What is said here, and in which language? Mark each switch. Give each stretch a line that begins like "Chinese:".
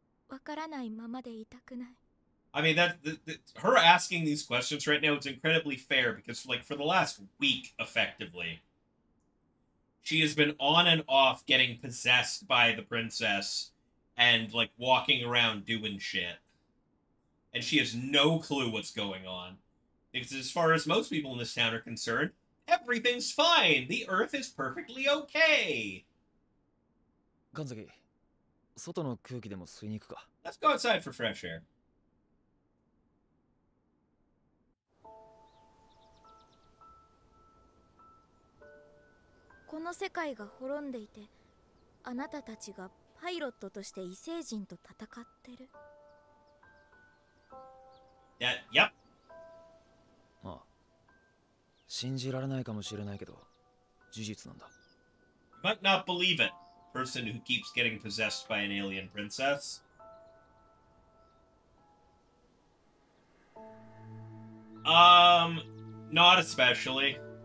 Japanese: わからないままでいたくない。
English: I mean, her asking these questions right now is incredibly fair because, like, for the last week, effectively, she has been on and off getting possessed by the princess and, like, walking around doing shit. And she has no clue what's going on. Because as far as most people in this town are concerned, everything's fine. The Earth is perfectly okay. Kanzuki.
Japanese: 外の空気でも吸いに行くか。
English: Let's go outside for fresh air.
Japanese: この世界が滅んでいて、あなたたちがパイロットとして異星人と戦ってる。
English: Yeah, yep.
Japanese: ああ。信じられないかもしれないけど、事実なんだ。
English: You might not believe it. Person who keeps getting possessed by an alien princess. Not especially.